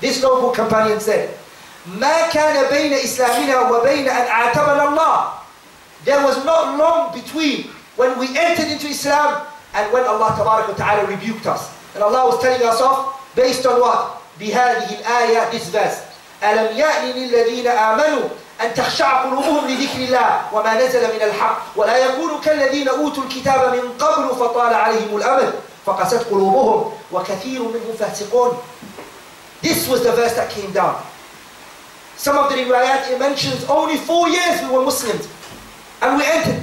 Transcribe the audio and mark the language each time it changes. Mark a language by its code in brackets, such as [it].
[en] This noble companion said, [ar] مَا كَانَ بَيْنَ إِسْلَامِنَا وَبَيْنَ أَنْ أَعْتَمَنَ اللَّهِ. [en] There was not long between when we entered into Islam and when Allah tabarak wa ta'ala rebuked us. And Allah was telling us off based on what? [ar] بهذه الآية [en] this verse. [ar] ألم يأمن الذين آمنوا أن تخشع قلوبهم لذكر الله وما نزل من الحق ولا يكونوا كالذين أوتوا الكتاب من قبل فطال عليهم الأمل فقست قلوبهم وكثير منهم فاسقون. [en] This was the verse that came down. Some of the riwayat mentions only 4 years we were Muslims and we entered.